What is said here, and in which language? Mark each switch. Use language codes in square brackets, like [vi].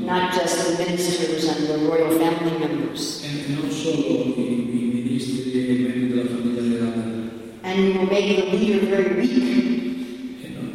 [en] Not just the ministers and the royal family members. [it] E non solo i ministri e i membri della famiglia reale. [en] And you will make the leader very weak.